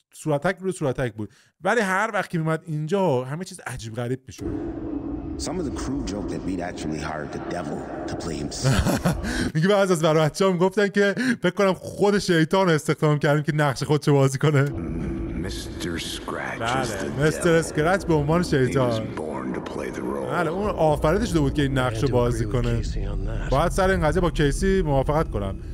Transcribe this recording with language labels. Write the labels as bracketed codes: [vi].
[fa] صورتک روی صورتک بود. ولی هر وقت که میومد اینجا همه چیز عجیب غریب میشد. [en] Some of the crew joked that we'd actually hired the devil to play himself. [fa] میگه بعضی از بچه‌ها میگفتن که فکر کنم خود شیطان رو استخدام کردیم که نقش خودش رو بازی کنه. Mr. Scratch. بله، Mr. Scratch به عنوان شیطان. بله، اون آفریده شده بود که این نقش رو بازی کنه. باید سر این قضیه با کیسی موافقت کنم.